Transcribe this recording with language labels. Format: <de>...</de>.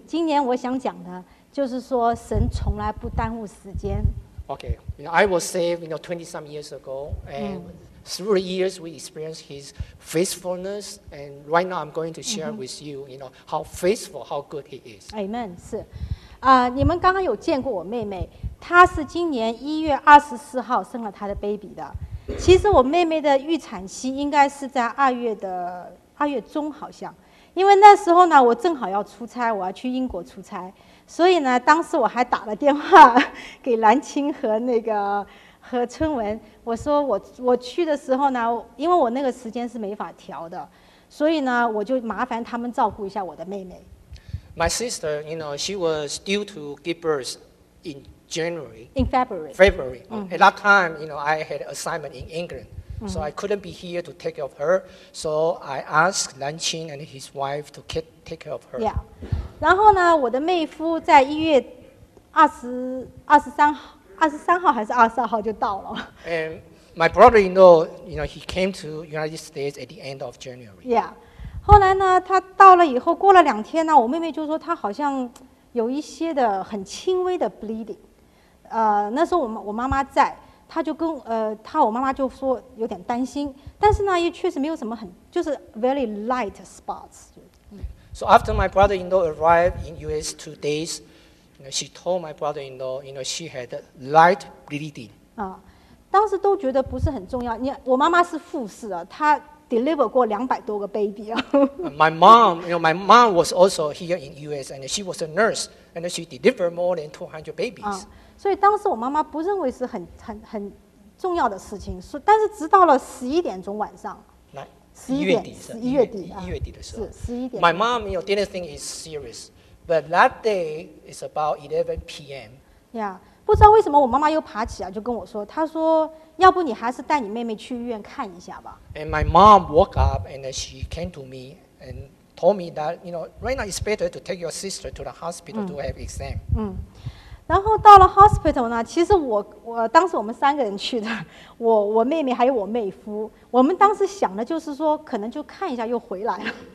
<zh>今年我想讲的就是说，神从来不耽误时间。</zh> <en>Okay, you know, I was saved, you know, 20-some years ago, and through the years we experienced His faithfulness. And right now, I'm going to share with you, you know, how faithful, how good He is. Amen.</en> <zh>是，你们刚刚有见过我妹妹。她是今年1月24号生了她的 baby 的。其实我妹妹的预产期应该是在二月中好像，因为那时候呢，我正好要出差，我要去英国出差，所以呢，当时我还打了电话给蓝青和那个和春文，我说我去的时候呢，因为我那个时间是没法调的，所以呢，我就麻烦他们照顾一下我的妹妹。</zh> <en>My sister, you know, she was due to give birth in. In February. At that time, you know, I had an assignment in England, so I couldn't be here to take care of her. So I asked Lan Qing and his wife to take care of her.</en> <zh>Yeah. 然后呢，我的妹夫在一月二十三号， 23号还是22号就到了。</zh> <en>And my brother-in-law, you know, he came to United States at the end of January.</en> <zh>Yeah. 后来呢，他到了以后，过了两天呢，我妹妹就说她好像有一些的很轻微的 bleeding。那时候我妈妈在，她就跟她我妈妈就说有点担心，但是呢，也确实没有什么很就是</zh> <en>very light spots。 So after my brother-in-law arrived in U.S. 2 days, you know, she told my brother-in-law, you know, she had light bleeding.</en> <zh>啊，当时都觉得不是很重要。我妈妈是护士啊，她 deliver 过200多个 baby 啊。</zh> <en>My mom, you know, my mom was also here in U.S. and she was a nurse and she delivered more than 200 babies.</en> <zh>啊，所以当时我妈妈不认为是很重要的事情。但是直到了11点钟晚上。</zh> <en>My mom, you know, didn't think it's serious, but that day is about 11 p.m.</en> <zh>Yeah, 不知道为什么我妈妈又爬起来就跟我说，她说要不你还是带你妹妹去医院看一下吧。</zh> <en>And my mom woke up and she came to me and told me that, you know, right now it's better to take your sister to the hospital to have exam.</en> <zh>然后到了 hospital 呢，其实我当时我们三个人去的，我妹妹还有我妹夫，我们当时想的就是说可能就看一下又回来了。</zh>